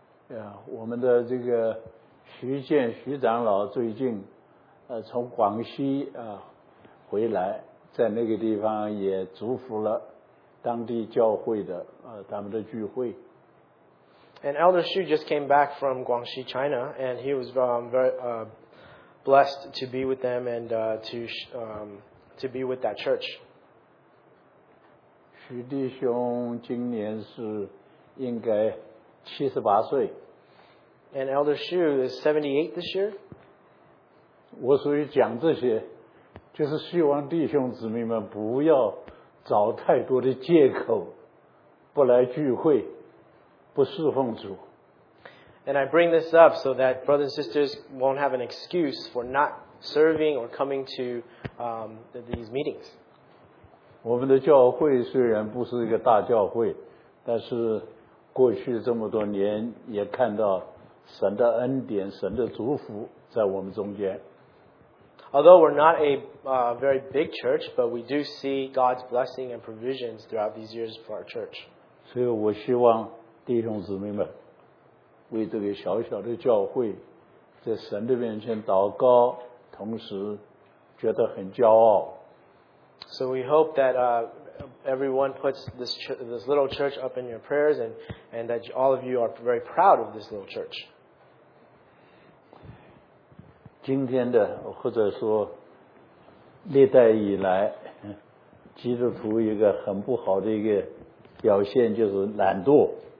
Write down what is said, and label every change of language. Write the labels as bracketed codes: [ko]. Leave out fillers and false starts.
[zh] Yeah, 我们的这个徐建徐长老最近从广西回来，在那个地方也祝福了。当地教会的他们的聚会。 [en] And Elder Xu just came back from Guangxi, China, and he was very blessed to be with them and to be with that church. [zh] 徐弟兄今年是应该78岁。 [en] And Elder Xu is 78 this year. [zh] 我所以讲这些，就是希望弟兄姊妹们不要。找太多的借口不来聚会不侍奉主。 [en] And I bring this up so that brothers and sisters won't have an excuse for not serving or coming to these meetings. [zh] 我们的教会虽然不是一个大教会，但是过去这么多年也看到神的恩典，神的祝福在我们中间。 [en] Although we're not a very big church, but we do see God's blessing and provisions throughout these years for our church. [zh] 所以我希望弟兄姊妹们为这个小小的教会在神的面前祷告，同时觉得很骄傲。 [en] So we hope that everyone puts this little church up in your prayers and that all of you are very proud of this little church. [zh] 今天的或者说历代以来基督徒一个很不好的一个表现就是懒惰。